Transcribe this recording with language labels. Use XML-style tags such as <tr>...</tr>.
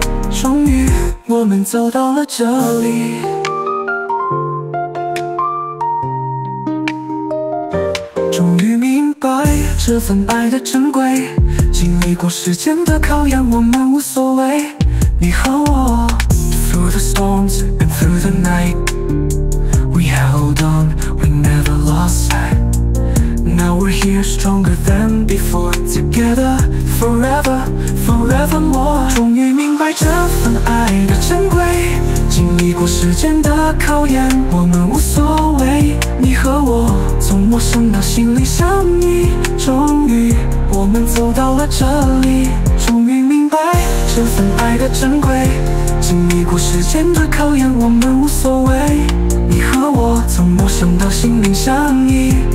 <zh>终于我们走到了这里，终于明白这份爱的珍贵，经历过时间的考验，我们无所谓，你和我。</zh> <en>Through the storms and through the night, we held on, we never lost sight. Now we're here stronger than before, together forever, forevermore.</en> <zh>终于明白这份爱的珍贵，经历过时间的考验，我们无所谓，你和我从陌生到心里相依。终于我们走到了这里，终于明白这份爱的珍贵，经历过时间的考验，我们无所谓，你和我从陌生到心灵相依。</zh>